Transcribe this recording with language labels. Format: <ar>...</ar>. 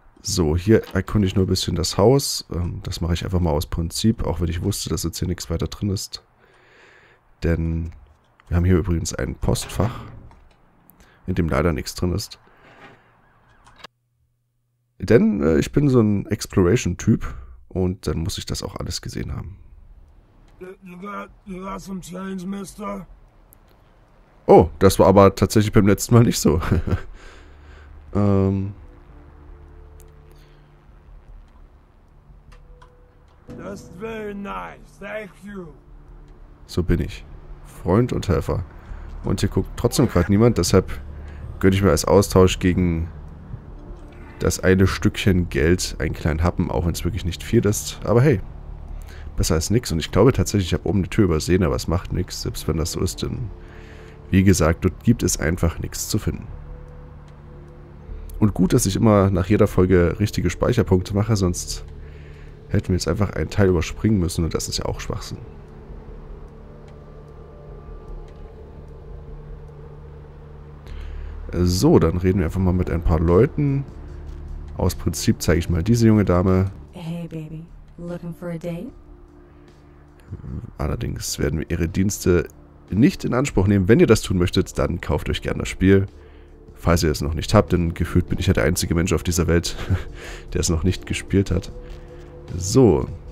<de>So, hier erkunde ich nur ein bisschen das Haus. Das mache ich einfach mal aus Prinzip, auch wenn ich wusste, dass jetzt hier nichts weiter drin ist. Denn wir haben hier übrigens ein Postfach, in dem leider nichts drin ist. Denn ich bin so ein Exploration-Typ und dann muss ich das auch alles gesehen haben.</de> <en>You got some change, Mister?</en> <de>Oh, das war aber tatsächlich beim letzten Mal nicht so.</de> <en>That's very nice. Thank you.</en> <de>So bin ich. Freund und Helfer. Und hier guckt trotzdem gerade niemand, deshalb gönne ich mir als Austausch gegen das eine Stückchen Geld einen kleinen Happen, auch wenn es wirklich nicht viel ist. Aber hey, besser als nichts. Und ich glaube tatsächlich, ich habe oben die Tür übersehen, aber es macht nichts, selbst wenn das so ist, denn wie gesagt, dort gibt es einfach nichts zu finden. Und gut, dass ich immer nach jeder Folge richtige Speicherpunkte mache, sonst hätten wir jetzt einfach einen Teil überspringen müssen und das ist ja auch Schwachsinn. So, dann reden wir einfach mal mit ein paar Leuten. Aus Prinzip zeige ich mal diese junge Dame.</de> <en>Hey Baby, looking for a date?</en> <de>Allerdings werden wir ihre Dienste nicht in Anspruch nehmen. Wenn ihr das tun möchtet, dann kauft euch gerne das Spiel. Falls ihr es noch nicht habt, denn gefühlt bin ich ja der einzige Mensch auf dieser Welt, der es noch nicht gespielt hat. So.</de>